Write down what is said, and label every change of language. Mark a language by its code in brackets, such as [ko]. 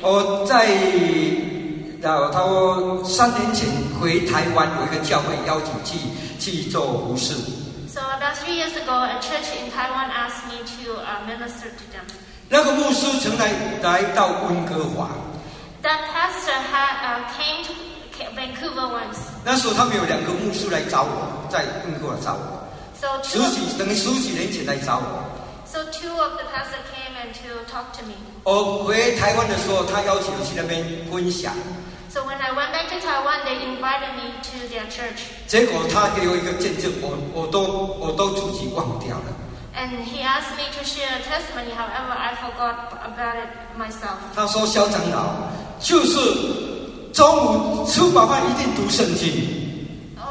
[zh] 我在到他说三年前回台湾，有一个教会邀请去做服事。 [en] So about 3 years ago, a church in Taiwan asked me to minister to them. [zh] 那个牧师曾来到温哥华。 [en] That pastor had came to Vancouver once. [zh] 那时候他们有两个牧师来找我，在温哥华找我。 [en] So two [zh] 来找我。 [en] So two of the pastors came and to talk to me. [zh] 我回台湾的时候，他邀请我去那边分享。 [en] So when I went back to Taiwan, they invited me to their church. [zh] 结果他给我一个见证，我都自己忘掉了。 [en] And he asked me to share a testimony. However, I forgot about it myself. [zh] 他说：“肖长老，就是中午吃饱饭一定读圣经。”